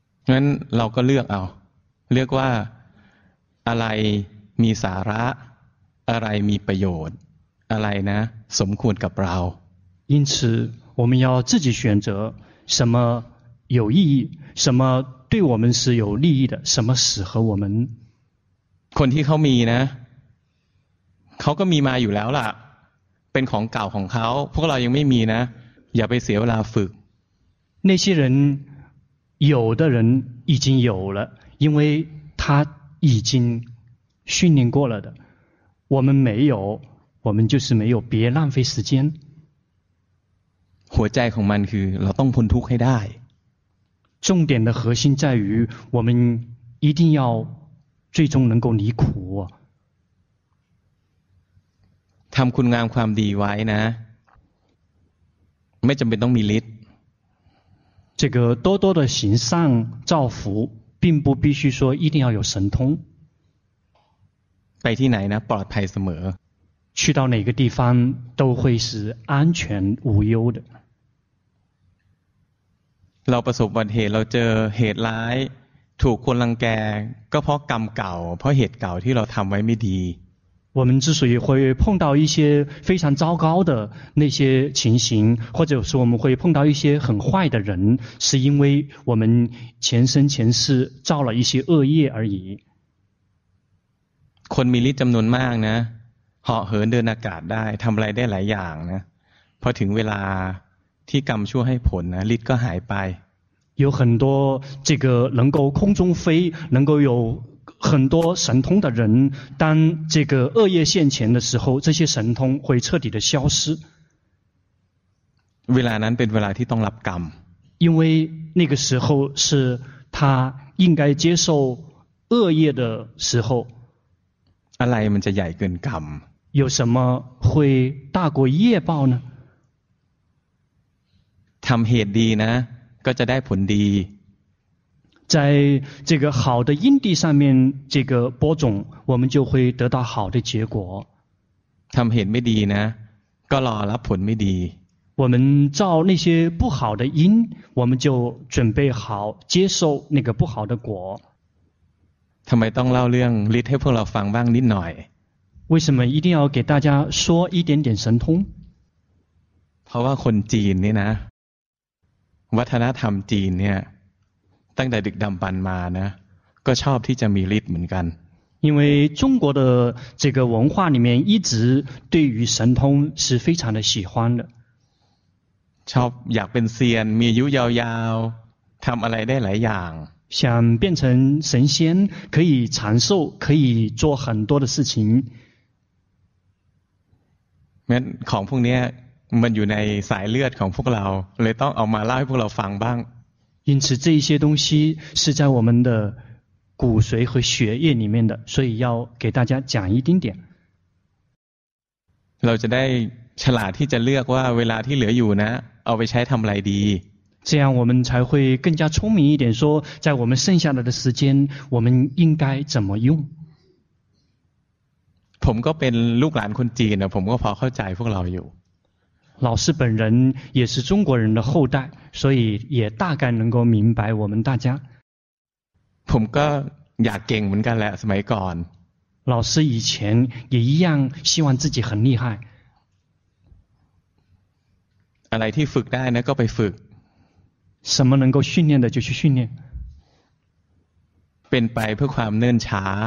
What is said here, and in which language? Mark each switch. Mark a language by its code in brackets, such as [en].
[th] งั้นเราก็เลือกเอาเรียกว่าอะไรมีสาระอะไรมีประโยชน์อะไรนะสมควรกับเรา [zh] 因此我们要自己选择什么有意义什么对我们是有利益的什么适合我们 [th] คนที่เขามีนะเขาก็มีมาอยู่แล้วล่ะเป็นของเก่าของเขาพวกเรายังไม่มีนะอย่าไปเสียเวลาฝึก [zh] 那些人有的人已经有了因为他已经训练过了的我们没有我们就是没有别浪费时间 [th] หัวใจของมันคือเราต้องพ้นทุกข์ให้ได้ [zh] 重点的核心在于我们一定要最终能够离苦 [th] ทำคุณงามความดีไว้นะไม่จำเป็นต้องมีฤทธิ์ [zh] 这个多多的行善造福并不必须说一定要有神通。 [th] ไปที่ไหนนะปลอดภัยเสม [zh] อ去到哪个地方都会是安全无忧的。 [th] เราประสบบัติเหตุเราเจอเหตุร้ายถูกคนรังแกก็เพราะกรรมเก่าเพราะเหตุเก่าที่เราทำไว้ไม่ดี [zh] 我们之所以会碰到一些非常糟糕的那些情形，或者说我们会碰到一些很坏的人，是因为我们前生前世造了一些恶业而已。 [th] คนมีฤทธิ์จำนวนมากนะ，เหาะเหินเดินอากาศได้ทำอะไรได้หลายอย่างนะ，พอถึงเวลาที่กรรมชั่วให้ผลนะ，ฤทธิ์ก็หายไป。 [zh] 有很多这个能够空中飞，能够有。很多神通的人当这个恶业现前的时候这些神通会彻底的消失 [th] เวลานั้นเป็นเวลาที่ต้องรับกรรม [zh] 因为那个时候是他应该接受恶业的时候 [th] อะไรมันจะใหญ่เกินกรรม [zh] 有什么会大过业报呢 [th] ทำเหตุดีนะก็จะได้ผลดี [zh] 在这个好的因地上面这个播种我们就会得到好的结果 [th] ทำเหตุไม่ดีนะก็รอรับผลไม่ดี [zh] 我们造那些不好的因我们就准备好接受那个不好的果 [th] ทำไมต้องเล่าเรื่องฤทธิ์ให้พวกเราฟังบ้างนิดหน่อย [zh] 为什么一定要给大家说一点点神通 [th] เพราะว่าคนจีนนี่นะวัฒนธรรมจีนเนี่ยตั้งแต่ดึกดำบรรพ์มานะก็ชอบที่จะมีฤทธิ์เหมือนกัน [zh] 因为中国的这个文化里面一直对于神通是非常的喜欢的 [th] ชอบอยากเป็นเซียนมีอายุยาวๆทำอะไรได้หลายอย่าง [zh] 想变成神仙可以长寿可以做很多的事情 [th] งั้นของพวกนี้มันอยู่ในสายเลือดของพวกเราเลยต้องเอามาเล่าให้พวกเราฟังบ้าง [zh] 因此这些东西是在我们的骨髓和血液里面的所以要给大家讲一丁点 [th] เราจะได้ฉลาดที่จะเลือกว่าเวลาที่เหลืออยู่นะเอาไปใช้ทำอะไรดี [zh] 这样我们才会更加聪明一点说在我们剩下的时间我们应该怎么用 [th] ผมก็เป็นลูกหลานคนจีนนะผมก็พอเข้าใจพวกเราอยู่ [zh] 老师本人也是中国人的后代所以也大概能够明白我们大家 [th] ผมก็อยากเก่งเหมือนกันแหละสมัยก่อน [zh] 老师以前也一样希望自己很厉害 [th] อะไรที่ฝึกได้นะก็ไปฝึก [zh] 什么能够训练的就去训练 [th] เป็นไปเพื่อความเนิ่นช้า